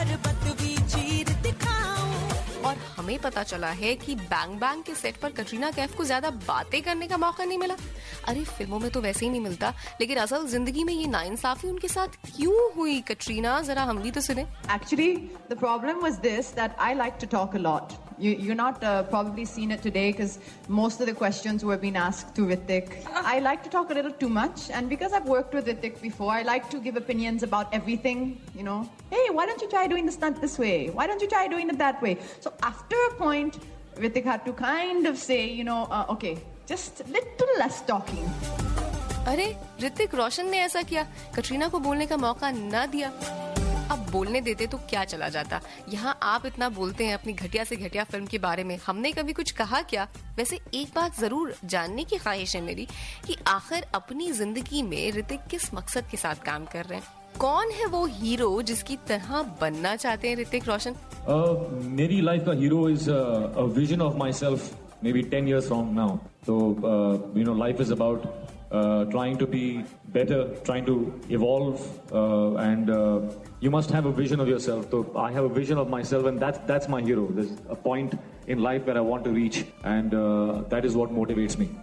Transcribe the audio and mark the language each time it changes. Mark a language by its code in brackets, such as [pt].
[hi] और हमें पता चला है कि बैंग बैंग के सेट पर कटरीना कैफ को ज्यादा बातें करने का मौका नहीं मिला। अरे फिल्मों में तो वैसे ही नहीं मिलता, लेकिन असल जिंदगी में ये नाइंसाफी उनके साथ क्यों हुई? कटरीना जरा हम भी तो सुने। [en] Actually, the problem was this, that I like to talk a lot. You're not probably seen it today because most of the questions were being asked to Hrithik. I like to talk a little too much, and because I've worked with Hrithik before, I like to give opinions about everything, you know. Hey, why don't you try doing the stunt this way? Why don't you try doing it that way? So after a point, Hrithik had to kind of say, you know, okay, just a little less talking. [hi] अरे ऋतिक रोशन ने ऐसा किया, कटरीना को बोलने का मौका ना दिया। अब बोलने देते तो क्या चला जाता, यहाँ आप इतना बोलते हैं अपनी घटिया से घटिया फिल्म के बारे में, हमने कभी कुछ कहा क्या? वैसे एक बात जरूर जानने की ख्वाहिश है मेरी कि आखिर अपनी जिंदगी में ऋतिक किस मकसद के साथ काम कर रहे हैं, कौन है वो हीरो जिसकी तरह बनना चाहते हैं ऋतिक रोशन? मेरी लाइफ का [en] Hero is a vision of myself, maybe 10 years from now. तो you know, life is about trying to be better, trying to evolve, and you must have a vision of yourself. So I have a vision of myself, and that's my hero. There's a point in life where I want to reach, and that is what motivates me.